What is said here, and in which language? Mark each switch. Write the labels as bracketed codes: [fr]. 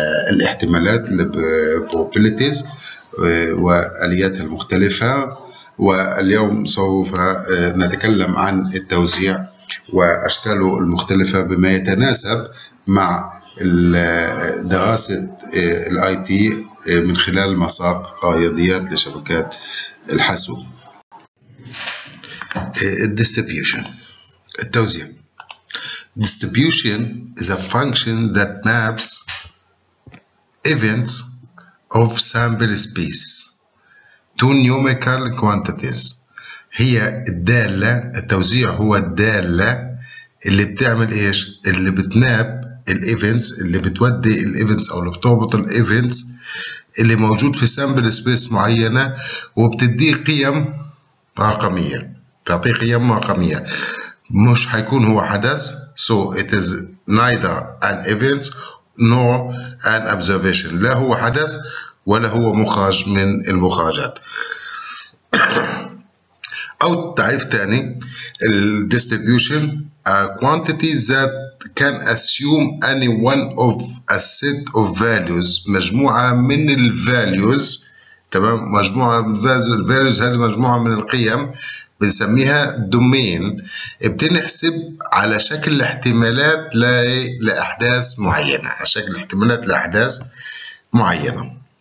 [ar] الاحتمالات probabilities وآلياتها المختلفة، واليوم سوف نتكلم عن التوزيع وأشكاله المختلفة بما يتناسب مع دراسة الاي تي من خلال مساق رياضيات لشبكات الحاسوب. [en] Distribution. التوزيع. Distribution is a function that maps events of sample space to numerical quantities. [ar] هي الدالة، التوزيع هو الدالة اللي بتعمل ايش؟ اللي بتناب الايفنتس، اللي بتودي الايفنتس او اللي بتربط الايفنتس اللي موجود في سامبل سبيس معينة وبتديه قيم رقمية، تعطيه قيم رقمية، مش هيكون هو حدث. [en] So it is neither an event nor an observation. [ar] لا هو حدث ولا هو مخرج من المخرجات. أو تعريف تاني، الـ [en] distribution a quantity that can assume any one of a set of values، [ar] مجموعة من الـ values، تمام، مجموعة من الـ values، هذه مجموعة من القيم بنسميها domain، بتنحسب على شكل احتمالات لأحداث معينة، على شكل احتمالات لأحداث معينة.